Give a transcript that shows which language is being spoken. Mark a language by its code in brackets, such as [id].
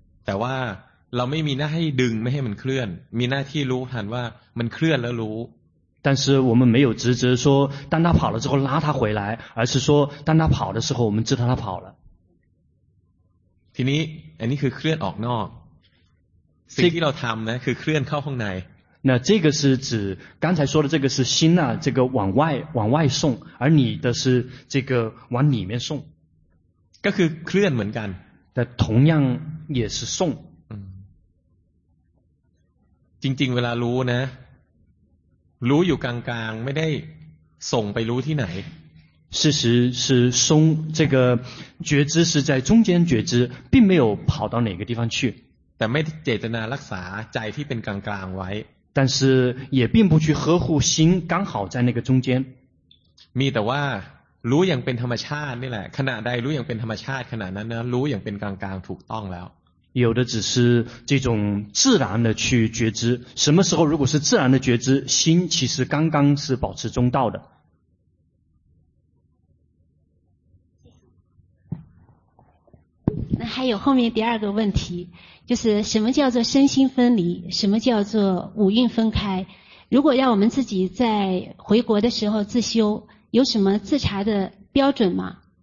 [th] แต่ว่าเราไม่มีหน้าให้ดึงไม่ให้มันเคลื่อนมีหน้าที่รู้ทันว่ามันเคลื่อนแล้วรู้ [zh] 但是我们没有职责说当他跑了之后拉他回来而是说当他跑的时候我们知道他跑了 [th] ทีนี้อันนี้คือเคลื่อนออกนอกสิ่งที่เราทำนะคือเคลื่อนเข้าข้างใน [zh] 那这个是指刚才说的这个是心啊这个往外送而你的是这个往里面送 [th] ก็คือเคลื่อนเหมือนกัน [zh] 但同样也是送 [th] จริงๆเวลารู้นะรู้อยู่กลางๆไม่ได้ส่งไปรู้ที่ไหน [zh] 事实是松这个觉知是在中间觉知并没有跑到哪个地方去 [th] แต่ไม่เจตนารักษาใจที่เป็นกลางๆไว้ [zh] 但是也并不去呵护心刚好在那个中间 [th] มีแต่ว่า รู้อย่างเป็นธรรมชาตินี่แหละขณะใดรู้อย่างเป็นธรรมชาติขณะนั้นนะรู้อย่างเป็นกลางกลางถูกต้องแล้ว [zh] 有的只是这种自然的去觉知什么时候如果是自然的觉知心其实刚刚是保持中道的那还有后面第二个问题就是什么叫做身心分离什么叫做五蕴分开如果要我们自己在回国的时候自修有什么自查的标准吗